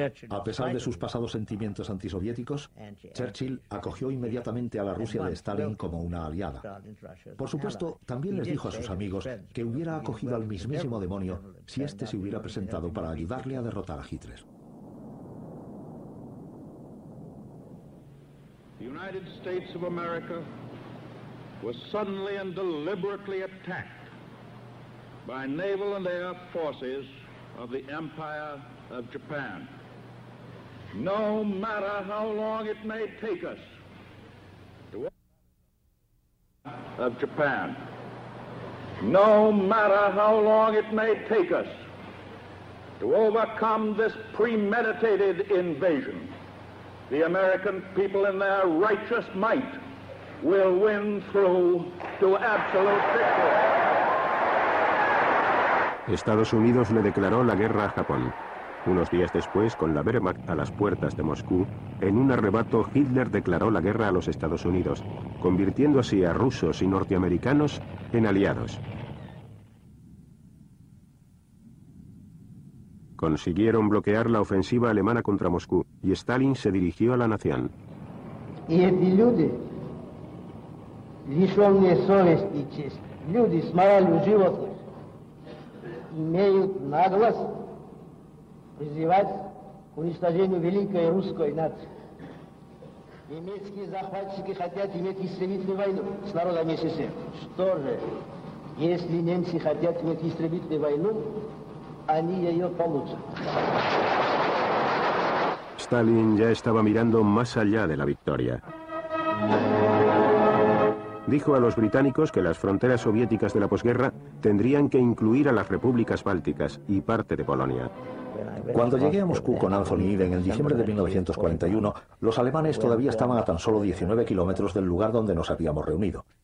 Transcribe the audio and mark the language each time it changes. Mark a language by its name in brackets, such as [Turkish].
[Spanish] A pesar de sus pasados sentimientos antisoviéticos, Churchill acogió inmediatamente a la Rusia de Stalin como una aliada. Por supuesto, también les dijo a sus amigos que hubiera acogido al mismísimo demonio si éste se hubiera presentado para ayudarle a derrotar a Hitler. [English] The United States of America was suddenly and deliberately attacked by naval and air forces of the Empire of Japan. No matter how long it may take us of Japan. No matter how long it may take us to overcome this premeditated invasion, the American people in their righteous might will win through to absolute victory. [Spanish] Estados Unidos le declaró la guerra a Japón. Unos días después, con la Wehrmacht a las puertas de Moscú, en un arrebato Hitler declaró la guerra a los Estados Unidos, convirtiendo así a rusos y norteamericanos en aliados. Consiguieron bloquear la ofensiva alemana contra Moscú y Stalin se dirigió a la nación. [Russian] Y эти люди, лишённые совести и чести, люди с моралью животных, имеют наглость призывать к уничтожению великой русской нации. Немецкие захватчики хотят иметь истребительную войну с народом СССР. Что же, если немцы хотят иметь истребительную войну, они ее получат. [Spanish] Сталин ya estaba mirando más allá de la victoria. Dijo a los británicos que las fronteras soviéticas de la posguerra tendrían que incluir a las repúblicas bálticas y parte de Polonia. Cuando llegué a Moscú con Anthony Eden en diciembre de 1941, los alemanes todavía estaban a tan solo 19 kilómetros del lugar donde nos habíamos reunido.